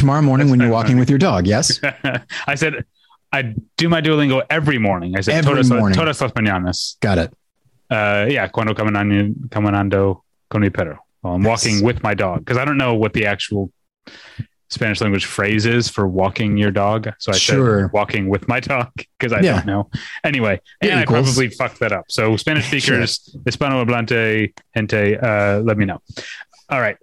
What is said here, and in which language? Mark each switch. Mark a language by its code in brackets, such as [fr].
[en] tomorrow morning when you're walking with your dog. Yes, I said I do my Duolingo every morning. I said [es] todos los mañanas. [en] Got it. [es] Cuando caminando con mi perro. [en] Well, I'm walking with my dog, because I don't know what the actual Spanish language phrases for walking your dog. So I said walking with my dog, because I don't know. Anyway, and I probably fucked that up. So Spanish speakers, [es] hispanohablante, gente, [en] let me know. All right.